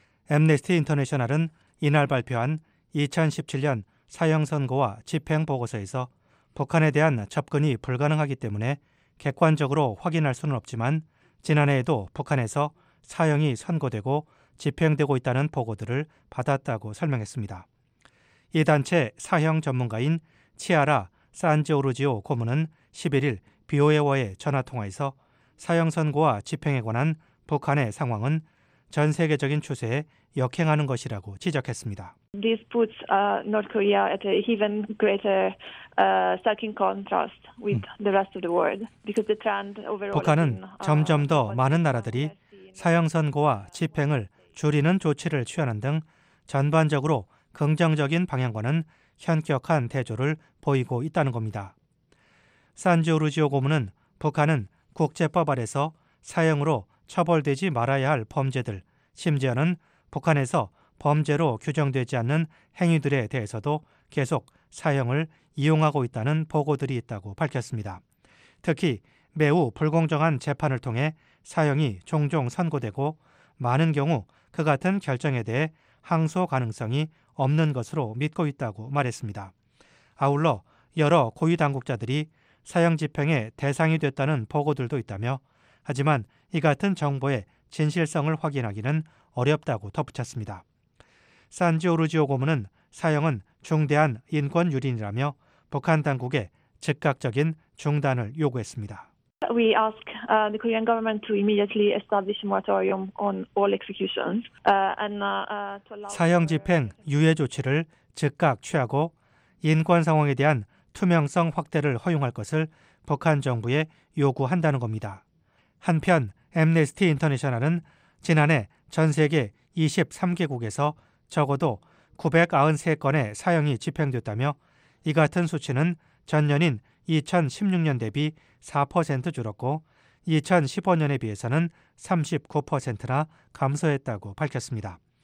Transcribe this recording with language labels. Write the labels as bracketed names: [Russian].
[Korean] Amnesty International은 이날 발표한 2017년 사형 선고와 집행 보고서에서 북한에 대한 접근이 불가능하기 때문에 객관적으로 확인할 수는 없지만 지난해에도 북한에서 사형이 선고되고 집행되고 있다는 보고들을 받았다고 설명했습니다. 이 단체 사형 전문가인 치아라 산지오르지오 고문은 11일 BOA와의 전화통화에서 사형 선고와 집행에 관한 북한의 상황은 전 세계적인 추세에 역행하는 것이라고 지적했습니다. [English] This puts North Korea at an even greater stark contrast with the rest of the world because the trend overall [Korean] 북한은 점점 더 많은 나라들이 사형 선고와 집행을 줄이는 조치를 취하는 등 전반적으로 긍정적인 방향과는 현격한 대조를 보이고 있다는 겁니다. 산지오르지오 고문은 북한은 국제법 아래서 사형으로 처벌되지 말아야 할 범죄들, 심지어는 북한에서 범죄로 규정되지 않는 행위들에 대해서도 계속 사형을 이용하고 있다는 보고들이 있다고 밝혔습니다. 특히 매우 불공정한 재판을 통해 사형이 종종 선고되고 많은 경우 그 같은 결정에 대해 항소 가능성이 없는 것으로 믿고 있다고 말했습니다. 아울러 여러 고위 당국자들이 사형 집행의 대상이 됐다는 보고들도 있다며 하지만 이 같은 정보의 진실성을 확인하기는 어렵다고 덧붙였습니다. 산지오르지오 고문은 사형은 중대한 인권 유린이라며 북한 당국에 즉각적인 중단을 요구했습니다. [English] We ask the Korean government to immediately establish moratorium on all executions and to allow [Korean] 사형 집행 유예 조치를 즉각 취하고 인권 상황에 대한 투명성 확대를 허용할 것을 북한 정부에 요구한다는 겁니다. 한편 Amnesty International은 지난해 전 세계 23개국에서 적어도 993건의 사형이 집행됐다며 이 같은 수치는 전년인 2016년 대비 4% 줄었고 2015년에 비해서는 39%나 감소했다고 밝혔습니다.